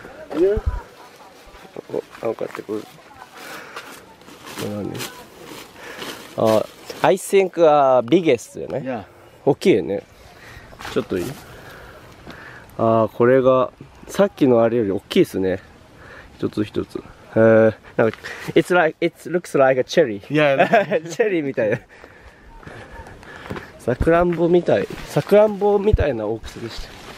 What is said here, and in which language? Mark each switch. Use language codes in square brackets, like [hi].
[ja] Yeah. お、なんかってこれ。これね。 [en] I think biggest よね。 Yeah. [ja] 大きいよね。ちょっといい。ああ、これがさっきのあれより大きいですね。一つ一つ。 [en] なんか it's like it looks like a cherry。 [ja] いや、チェリーみたいな。さくらんぼみたい。さくらんぼみたいな大きさでした。